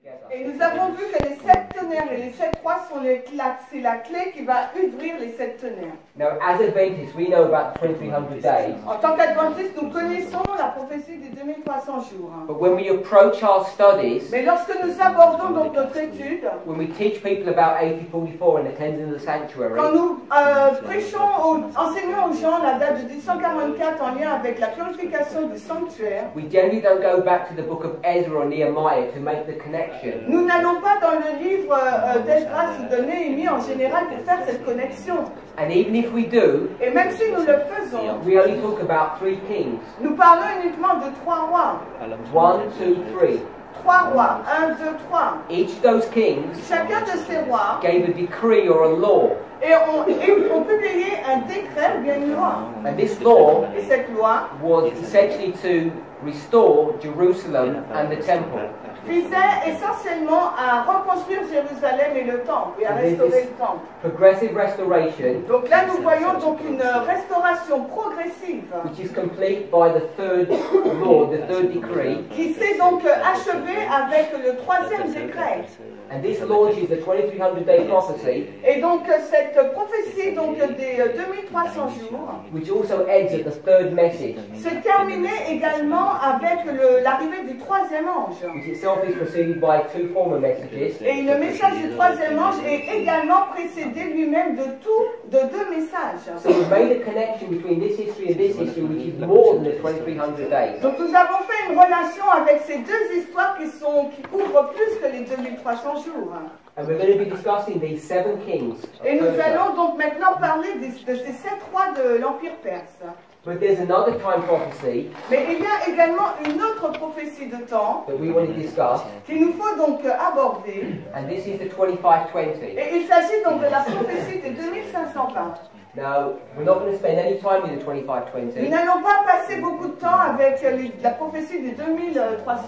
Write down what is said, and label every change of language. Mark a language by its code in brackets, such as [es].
[fr] Et nous avons vu que les sept tonnerres et les sept rois sont les clés. C'est la clé qui va ouvrir les sept tonnerres. [en] Now, as Adventists, we know about 2300 days. [fr] En tant qu'Adventistes, nous connaissons la prophétie des 2300 jours. [en] But when we approach our studies, [fr] mais lorsque nous abordons donc notre étude, [en] when we teach people about 1844 and the cleansing of the sanctuary, [fr] quand nous prêchons ou enseignons aux gens la date de 1844 en lien avec la purification du sanctuaire, [en] we generally don't go back to the book of Ezra or Nehemiah to make the connection. [fr] Nous n'allons pas dans le livre d'Esdras ou de Néhémie en général pour faire cette connexion. [en] And even if we do, [fr] et même si nous le faisons, [en] we only talk about three kings. [fr] Nous parlons uniquement de trois rois. [en] One, two, three. [fr] Trois rois. Un, deux, trois. [en] Each of those kings, [fr] chacun de ces rois, [en] gave a decree or a law. [fr] Et on publiait un décret ou bien une loi. [en] And this law, [fr] et cette loi, [en] was essentially to restore Jerusalem and the temple. [fr] Visait essentiellement à reconstruire Jérusalem et le temple, et à restaurer le temple. [en] Progressive restoration. [fr] Donc là, nous voyons donc une restauration progressive. [en] Which is complete by the third law, the third decree. [fr] Qui s'est donc achevée avec le troisième décret. [en] And this launches the 2300 day prophecy. [fr] Et donc cette prophétie donc des 2300 jours. [en] Which also ends at the third message. [fr] Se terminait également avec l'arrivée du troisième ange. [en] Which itself is preceded by two former messages. [fr] Et le message du troisième ange est également précédé lui-même de deux messages. [en] So we made a connection between this history and this history, which is more than the 2300 days. [fr] Donc nous avons fait une relation avec ces deux histoires qui couvrent plus que les 2300. [en] And we're going to be discussing these seven kings. [fr] Et nous allons donc maintenant parler de ces sept rois de l'Empire perse. [en] But there's another time prophecy. [fr] Mais il y a également une autre prophétie de temps [en] that we want to discuss. [fr] Qu'il nous faut donc aborder. [en] And this is the 2520. [fr] Et il s'agit donc de la prophétie des 2520. [en] Now, we're not going to spend any time in the 2520. [fr] Nous n'allons pas passer beaucoup de temps avec la prophétie des 2520.